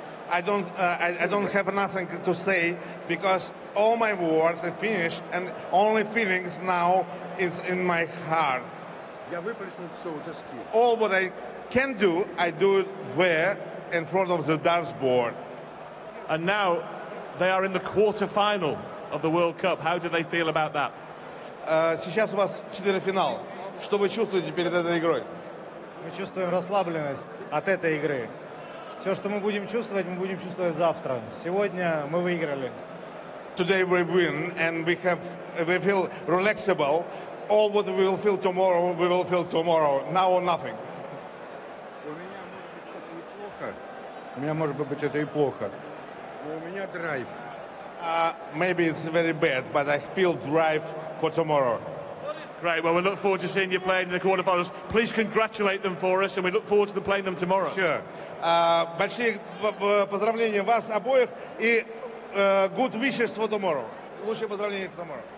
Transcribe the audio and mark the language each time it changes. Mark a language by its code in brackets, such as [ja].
[en] I don't have nothing to say because all my words are finished and only feelings now is in my heart. [ru] Я выплеснул все у доски. [en] All what I can do, I do it where in front of the darts board. And now they are in the quarterfinal of the World Cup. How do they feel about that? [ru] Сейчас у вас четвертьфинал. Что вы чувствуете перед этой игрой? Мы чувствуем расслабленность от этой игры. Все, что мы будем чувствовать завтра. Сегодня мы выиграли. [en] Today we win and we feel relaxable. All what we will feel tomorrow, we will feel tomorrow. Now or nothing. [ru] У меня может быть это и плохо. У меня может быть это и плохо. Но у меня драйв. [en] Maybe it's very bad, but I feel drive for tomorrow. Great, well, we look forward to seeing you playing in the quarterfinals. Please congratulate them for us, and we look forward to playing them tomorrow. Sure. [ru] Большие поздравления вас обоих, и [en] good wishes for tomorrow. [ru] Лучшие поздравления [en] for tomorrow.